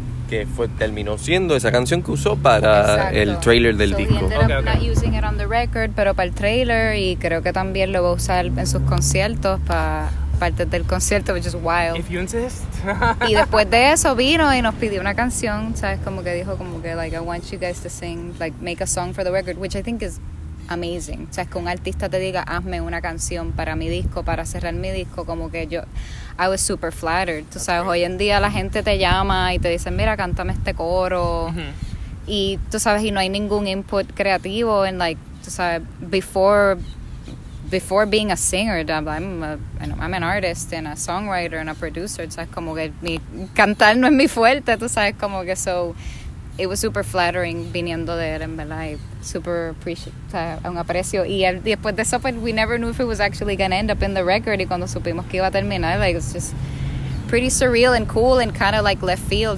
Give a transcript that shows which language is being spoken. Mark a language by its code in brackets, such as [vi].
[es] que terminó siendo esa canción que usó para el trailer del disco. He ended up not using it on the record, pero para el trailer, y creo que también lo va a usar en sus conciertos para parte del concierto, which is wild. [en] If you insist. [es] Y después de eso vino y nos pidió una canción, ¿sabes? [en] Como que dijo como que, like, I want you guys to sing, like, make a song for the record, which I think is amazing. [es] O sea, es que un artista te diga, hazme una canción para mi disco, para cerrar mi disco, como que yo, I was super flattered. Tú sabes, hoy en día la gente te llama y te dice, mira, cántame este coro. Uh-huh. Y tú sabes, y no hay ningún input creativo. [en] And like, tú sabes, before being a singer, I'm an artist and a songwriter and a producer. [es] O sea, es como que mi cantar no es mi fuerte, tú sabes, como que so. It was super flattering viniendo de él, en verdad, y super appreciate, un aprecio. [en] Y después de eso, pues, we never knew if it was actually going to end up in the record. Y cuando supimos que iba a terminar, like, it's just pretty surreal and cool and kind of like left field.